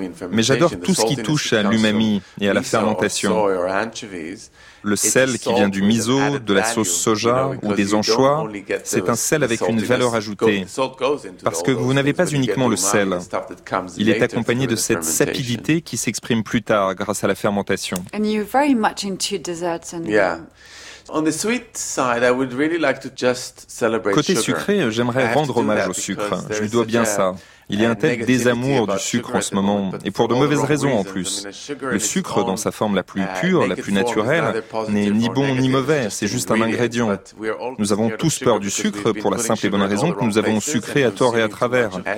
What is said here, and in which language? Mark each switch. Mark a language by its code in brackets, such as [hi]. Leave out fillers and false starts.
[fr] Mais j'adore tout ce qui touche à l'umami et à la fermentation. Le sel qui vient du miso, de la sauce soja ou des anchois, c'est un sel avec une valeur ajoutée. Parce que vous n'avez pas uniquement le sel. Il est accompagné de cette sapidité qui s'exprime plus tard grâce à la fermentation. [en] And you're very much into desserts and... Yeah. On the sweet side, I would really like to just celebrate sugar. [fr] Côté sucré, j'aimerais rendre hommage au sucre. Je lui dois bien ça. Il y a un tel désamour du sucre en ce moment, et pour de mauvaises raisons en plus. Le sucre, dans sa forme la plus pure, la plus naturelle, n'est ni bon ni mauvais, c'est juste un ingrédient. Nous avons tous peur du sucre pour la simple et bonne raison que nous avons sucré à tort et à travers.